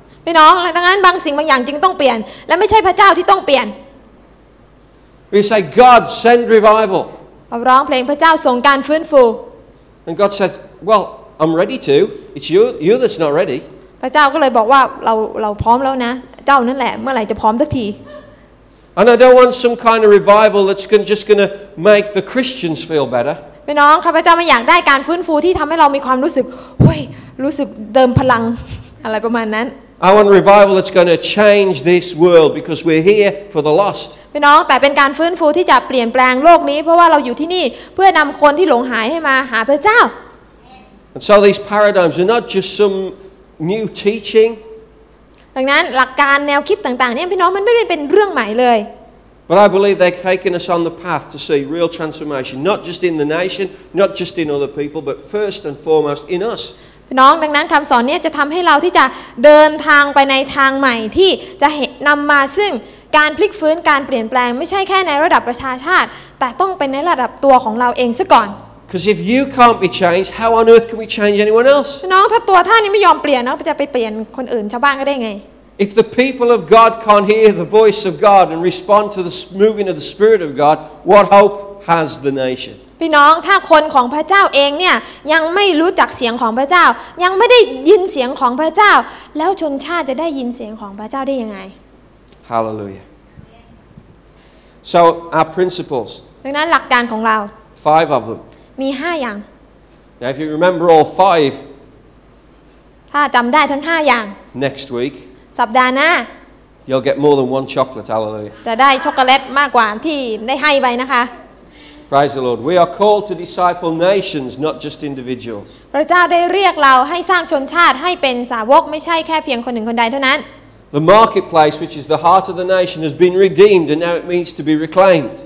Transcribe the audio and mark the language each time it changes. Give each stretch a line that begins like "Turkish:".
Thai: พี่น้องดังนั้นบางสิ่งบางอย่างจึงต้องเปลี่ยนและไม่ใช่พระเจ้าที่ต้องเปลี่ยน
English: We say, God, send revival.
Thai: เราร้องเพลงพระเจ้าส่งการฟื้นฟู
English: And God says, Well, I'm ready to. It's you that's not ready.
Thai: พระเจ้าก็เลยบอกว่าเราพร้อมแล้วนะเจ้านั่นแหละเมื่อไหร่จะพร้อมสักที
English: And I don't want some kind of revival that's just going to make the Christians feel better.
Thai: พี่น้องข้าพเจ้าไม่อยากได้การฟื้นฟูที่ทำให้เรามีความรู้สึกเฮ้ย รู้สึกเติมพลังอะไรประมาณนั้น
English: I want a revival that's going to change this world because we're here for the lost
Thai: พี่น้องแต่เป็นการฟื้นฟูที่จะเปลี่ยนแปลงโลกนี้เพราะว่าเราอยู่ที่นี่เพื่อนำคนที่หลงหายให้มาหาพระเจ้า
English: And so these paradigms are not just some new teaching
Thai: ดังนั้นหลักการแนวคิดต่างๆเนี่ยพี่น้องมันไม่ได้เป็นเรื่องใหม่เลย
English: But I believe they're taking us on the path to see real transformation, not just in the nation, not just in other people, but first and foremost in us.
Thai: พี่น้องดังนั้นคำสอนนี้จะทำให้เราที่จะเดินทางไปในทางใหม่ที่จะเห็นนำมาซึ่งการพลิกฟื้นการเปลี่ยนแปลงไม่ใช่แค่ในระดับประชาชาติแต่ต้องเป็นในระดับตัวของเราเองซะก่อน
English: Because if you can't be changed, how on earth can we change anyone else?
Thai: พี่น้องถ้าตัวท่านไม่ยอมเปลี่ยนเราจะไปเปลี่ยนคนอื่นชาวบ้านก็ได้ไง
English: If the people of God can't hear the voice of God and respond to the moving of the Spirit of God, what hope has the nation?
Thai: พี่น้องถ้าคนของพระเจ้าเองเนี่ยยังไม่รู้จักเสียงของพระเจ้ายังไม่ได้ยินเสียงของพระเจ้าแล้วชนชาติจะได้ยินเสียงของพระเจ้าได้ยังไง
English: Hallelujah. So our principles.
Thai: ดังนั้นหลักการของเรา
English: Five of them.
Thai: มี5อย่าง
English: Now if you remember all five.
Thai: ถ้าจำได้ทั้ง5อย่าง
English: Next week.
Thai: สัปดาห์หน้า
English: You'll get more than one chocolate, hallelujah.
Thai: จะได้ช็อกโกแลตมากกว่าที่ได้ให้ไปนะคะ
English: Praise the Lord. We are called to disciple nations, not just individuals.
Thai: พระเจ้าได้เรียกเราให้สร้างชนชาติให้เป็นสาวกไม่ใช่แค่เพียงคนหนึ่งคนใดเท่านั้น
English: The marketplace, which is the heart of the nation, has been redeemed and now it needs to be reclaimed.